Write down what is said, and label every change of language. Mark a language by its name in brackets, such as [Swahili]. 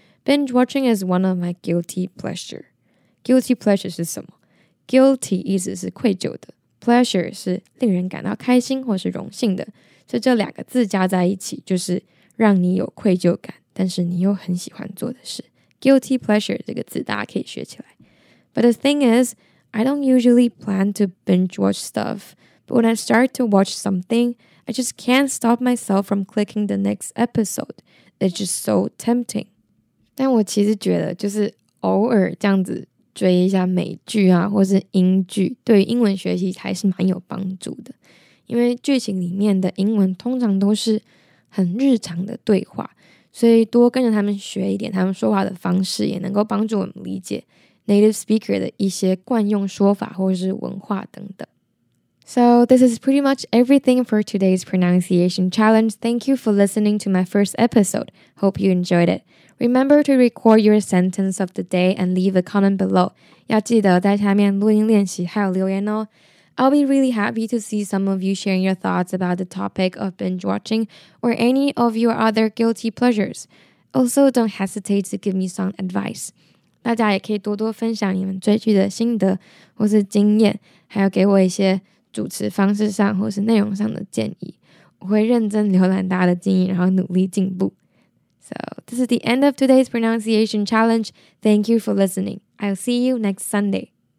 [English] Binge watching is one of my guilty pleasure. Guilty pleasure [Chinese] 是什么？ Guilty 意思是愧疚的， pleasure 是令人感到开心或是荣幸的。所以这两个字加在一起，就是让你有愧疚感，但是你又很喜欢做的事。 Guilty pleasure 这个字大家可以学起来。 [English] But the thing is,I don't usually plan to binge watch stuff, but when I start to watch something, I just can't stop myself from clicking the next episode. It's just so tempting. [Chinese] 但我其实觉得就是偶尔这样子追一下美剧啊或是英剧，对于英文学习还是蛮有帮助的。因为剧情里面的英文通常都是很日常的对话，所以多跟着他们学一点他们说话的方式，也能够帮助我们理解native speaker 的一些惯用说法或是文化等等。 [English] So this is pretty much everything for today's pronunciation challenge. Thank you for listening to my first episode. Hope you enjoyed it. Remember to record your sentence of the day and leave a comment below. [Chinese] 要记得在下面录音练习还有留言哦。 [English] I'll be really happy to see some of you sharing your thoughts about the topic of binge watching or any of your other guilty pleasures. Also, don't hesitate to give me some advice. [Chinese] 大家也可以多多分享你们追剧的心得或是经验，还有给我一些主持方式上或是内容上的建议。我会认真浏览大家的建议，然后努力进步。 [English] So, this is the end of today's pronunciation challenge. Thank you for listening. I'll see you next Sunday.